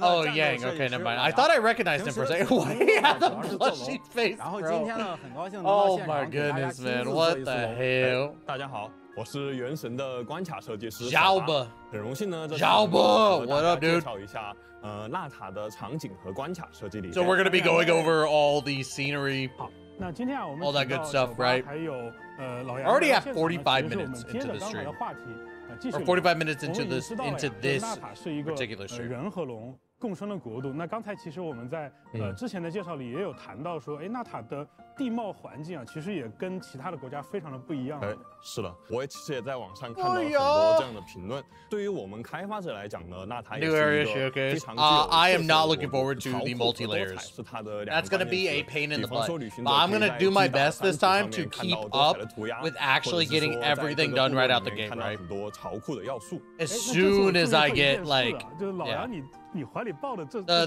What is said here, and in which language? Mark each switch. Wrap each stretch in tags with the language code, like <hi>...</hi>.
<zh>战斗设计师。</zh> <en>Oh yeah, okay, never mind. I thought I recognized him for a second. Why the blushy face?</en> <zh>然后今天呢，很高兴能到现场给大家亲自做一次龙。</zh> <en>Oh my goodness, man, what the hell?</en> <zh>大家好，我是原神的关卡设计师小巴，很荣幸呢，小巴，我来介绍一下纳塔的场景和关卡设计理念。</zh> <en>So we're gonna be going over all the scenery.</en> <zh>好，那今天啊，我们</zh> <en>all that good stuff, right?</en> <zh>还有老杨。</zh> <en>Already have 45 minutes into the stream. Or 45 minutes into this particular stream.</en> <zh>人和龙共生的国度。那刚才其实我们在之前的介绍里也有谈到说，哎，纳塔的地貌环境啊，其实也跟其他的国家非常的不一样。哎，是的，我其实也在网上看到很多这样的评论。对于我们开发者来讲呢，纳塔也是一个非常具有特色的国度。</zh> <en>I am not looking forward to the multi layers. That's gonna be a pain in the butt. But I'm gonna do my best this time to keep up with actually getting everything done right out the game, right? As soon as I get like, yeah.</en>